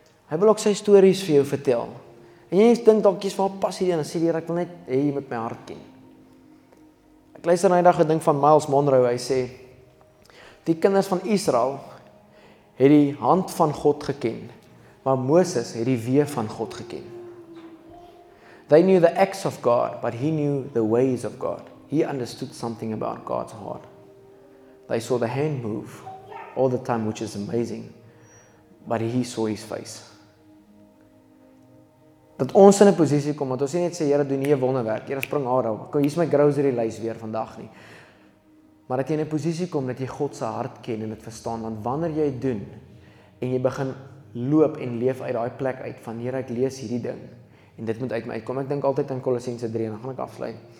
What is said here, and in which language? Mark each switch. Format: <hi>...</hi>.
<af>Hy wil ook sy stories vir jou vertel. En jy dink dalk, waar pas hierdie in? Dan sê die Here, ek wil net hê jy moet my hart ken. Ek luister nou die dag gedink van Miles Monroe, hy sê, die kinders van Israel het die hand van God geken, maar Moses het die weë van God geken.</af> <en>They knew the acts of God, but he knew the ways of God. He understood something about God's heart. They saw the hand move all the time, which is amazing, but he saw his face.</en> <af>Dat ons in 'n posisie kom, want ons nie net sê, Here, doen nie 'n wonderwerk. Here, spring haar op. Kom, hier is my grocery lys weer vandag nie. Maar dat jy in 'n posisie kom, dat jy God se hart ken en dit verstaan, want wanneer jy doen, en jy begin loop en leef uit daai plek uit van Here, ek lees hierdie ding en dit moet uit my uitkom. Ek dink altyd aan Kolossense 3 en dan gaan ek afsluit.</af>